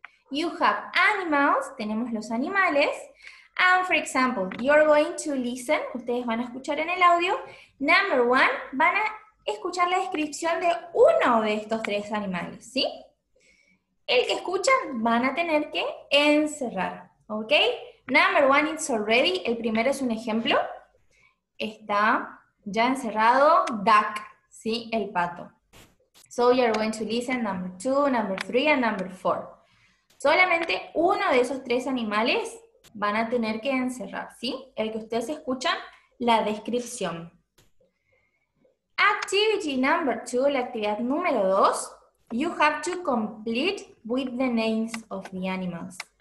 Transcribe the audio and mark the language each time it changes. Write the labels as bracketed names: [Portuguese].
[English] You have animals, [Spanish] tenemos los animales, [English] and for example, you're going to listen, [Spanish] ustedes van a escuchar en el audio, [English] number one, [Spanish] van a escuchar la descripción de uno de estos tres animales, ¿sí? El que escuchan van a tener que encerrar, ¿ok? [English] Number one, it's already, [Spanish] el primero es un ejemplo, está ya encerrado, duck, ¿sí? El pato. [English] So you're going to listen, number two, number three, and number four. [Spanish] Solamente uno de esos tres animales van a tener que encerrar, ¿sí? El que ustedes escuchan, la descripción. [English] Activity number two, [Spanish] la actividad número dos, [English] you have to complete with the names of the animals.